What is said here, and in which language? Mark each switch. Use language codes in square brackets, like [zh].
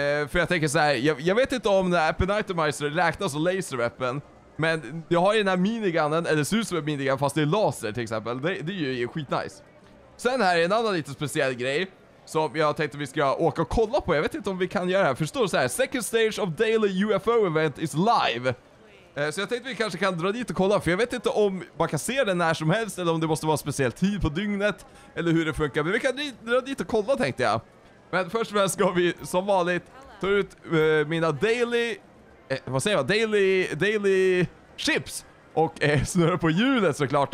[sv] För jag tänker så här, jag vet inte om när Appen Itemizer räknas som Laser Weapon. Men jag har ju den här minigunnen, eller ser ut som en minigun fast det är laser till exempel. Det är ju skitnice. Sen här är en annan lite speciell grej som jag tänkte att vi ska åka och kolla på. Jag vet inte om vi kan göra det här. Förstår du så här? [en] Second stage of daily UFO event is live. [sv] Så jag tänkte att vi kanske kan dra dit och kolla. För jag vet inte om man kan se den när som helst. Eller om det måste vara speciell tid på dygnet. Eller hur det funkar. Men vi kan dra dit och kolla, tänkte jag. Men först och främst ska vi som vanligt ta ut mina daily... vad säger jag? Daily chips. Och snurra på hjulet såklart.